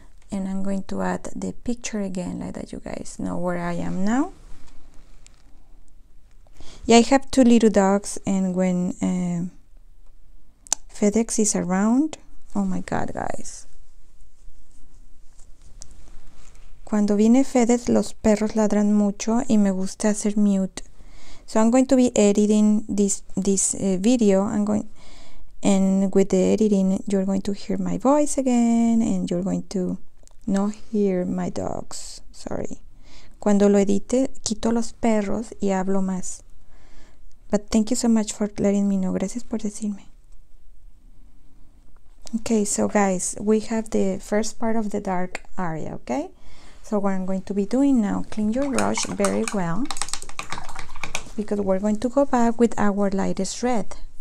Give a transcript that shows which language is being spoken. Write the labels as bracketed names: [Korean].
[English] And I'm going to add the picture again, like that you guys know where I am now. Yeah, I have two little dogs, and when FedEx is around, oh my God, guys. [Spanish] Cuando viene FedEx, los perros ladran mucho y me gusta hacer mute. [English] So I'm going to be editing this video. I'm going, and with the editing, you're going to hear my voice again, and you're going to not hear my dogs. Sorry. [Spanish] Cuando lo edite, quito los perros y hablo más. [English] But thank you so much for letting me know. [Spanish] Gracias por decirme. [English] Okay, so guys, we have the first part of the dark area, okay? So what I'm going to be doing now, clean your brush very well, because we're going to go back with our lightest red.